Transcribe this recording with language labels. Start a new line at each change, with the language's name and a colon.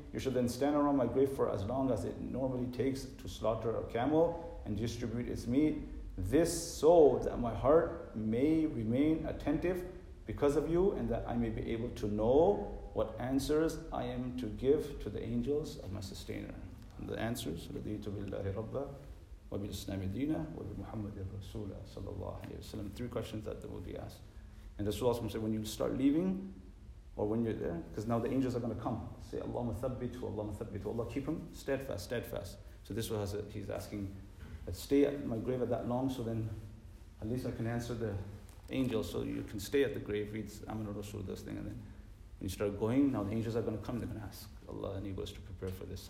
English: You should then stand around my grave for as long as it normally takes to slaughter a camel and distribute its meat. This so that my heart may remain attentive because of you and that I may be able to know what answers I am to give to the angels of my sustainer.
Arabic: And the answers, رَضِيتُ بِاللَّهِ رَبَّا وَبِالْإِسْلَامِ دِينَ وَبِمُحَمَّدِ الرَّسُولَ صَلَّى اللَّهُ عَلَيْهِ وَسَلَّمَ.
English: Three questions that will be asked. And the Rasulullah said, when you start leaving, or when you're there, because now the angels are going to come. Say,
Arabic: Allahumma thabbitu, Allahumma thabbitu.
English: Allah, keep him steadfast, steadfast. So this was, he's asking, stay at my grave at that long, so then at least I can answer the angels, so you can stay at the grave, reads Aminu Rasul, this thing. And then when you start going, now the angels are going to come, they're going to ask Allah and enable us to prepare for this.